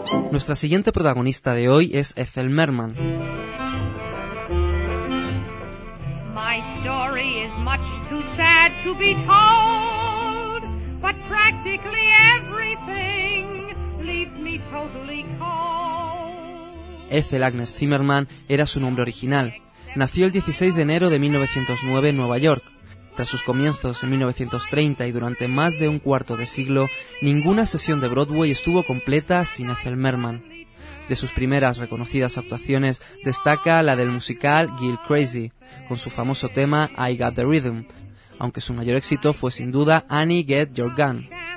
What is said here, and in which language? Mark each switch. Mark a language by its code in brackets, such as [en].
[es] Nuestra siguiente protagonista de hoy es Ethel Merman. [en] My story is much too sad to be told, but practically everything leaves me totally cold. [es] Ethel Agnes Zimmerman era su nombre original. Nació el 16 de enero de 1909 en Nueva York. Tras sus comienzos en 1930 y durante más de un cuarto de siglo, ninguna sesión de Broadway estuvo completa sin Ethel Merman. De sus primeras reconocidas actuaciones destaca la del musical Gilt Crazy, con su famoso tema I Got the Rhythm, aunque su mayor éxito fue sin duda Annie Get Your Gun.